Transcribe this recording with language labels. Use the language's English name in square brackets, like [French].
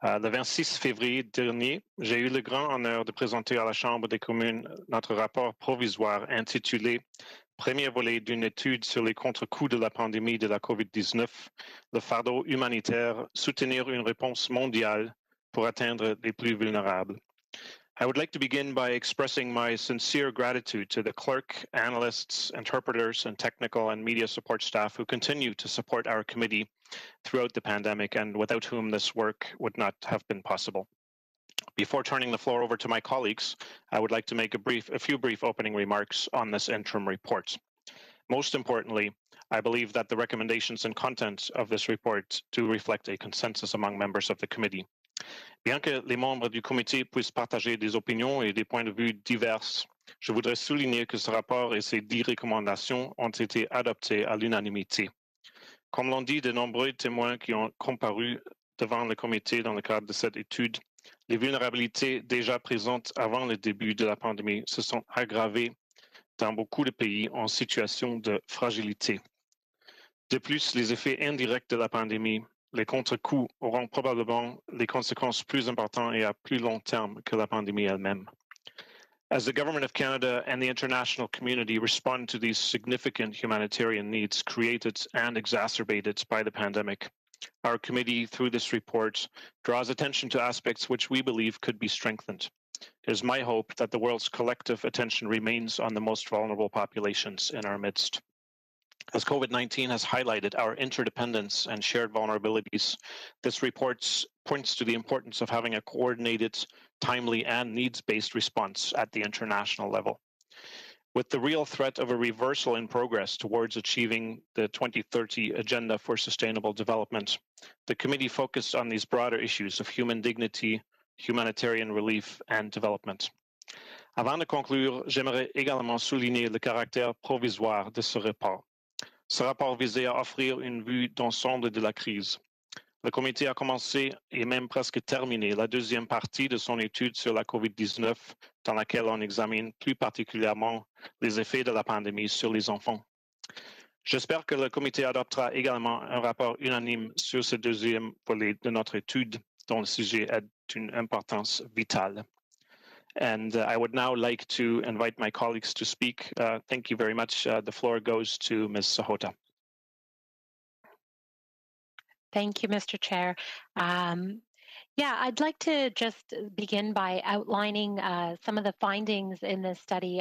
[French] Le 26 février dernier, j'ai eu le grand honneur de présenter à la Chambre des communes notre rapport provisoire intitulé « Premier volet d'une étude sur les contre-coups de la pandémie de la COVID-19, le fardeau humanitaire, soutenir une réponse mondiale pour atteindre les plus vulnérables ». [English] I would like to begin by expressing my sincere gratitude to the clerk, analysts, interpreters, and technical and media support staff who continue to support our committee throughout the pandemic and without whom this work would not have been possible. Before turning the floor over to my colleagues, I would like to make a few brief opening remarks on this interim report. Most importantly, I believe that the recommendations and content of this report do reflect a consensus among members of the committee. [French] Bien que les membres du comité puissent partager des opinions et des points de vue divers, je voudrais souligner que ce rapport et ses 10 recommandations ont été adoptées à l'unanimité. Comme l'ont dit de nombreux témoins qui ont comparu devant le comité dans le cadre de cette étude, les vulnérabilités déjà présentes avant le début de la pandémie se sont aggravées dans beaucoup de pays en situation de fragilité. De plus, les effets indirects de la pandémie les contre-coups auront probablement les conséquences plus importantes et à plus long terme que la pandémie elle-même. [English] As the government of Canada and the international community respond to these significant humanitarian needs created and exacerbated by the pandemic, our committee, through this report, draws attention to aspects which we believe could be strengthened. It is my hope that the world's collective attention remains on the most vulnerable populations in our midst. As COVID-19 has highlighted our interdependence and shared vulnerabilities, this report points to the importance of having a coordinated, timely, and needs-based response at the international level. With the real threat of a reversal in progress towards achieving the 2030 Agenda for Sustainable Development, the committee focused on these broader issues of human dignity, humanitarian relief, and development. [French] Avant de conclure, j'aimerais également souligner le caractère provisoire de ce report. Ce rapport visait à offrir une vue d'ensemble de la crise. Le comité a commencé et même presque terminé la deuxième partie de son étude sur la COVID-19, dans laquelle on examine plus particulièrement les effets de la pandémie sur les enfants. J'espère que le comité adoptera également un rapport unanime sur ce deuxième volet de notre étude, dont le sujet est d'une importance vitale. [English] And I would now like to invite my colleagues to speak. Thank you very much. The floor goes to Ms. Sahota. Thank you, Mr. Chair. I'd like to just begin by outlining some of the findings in this study.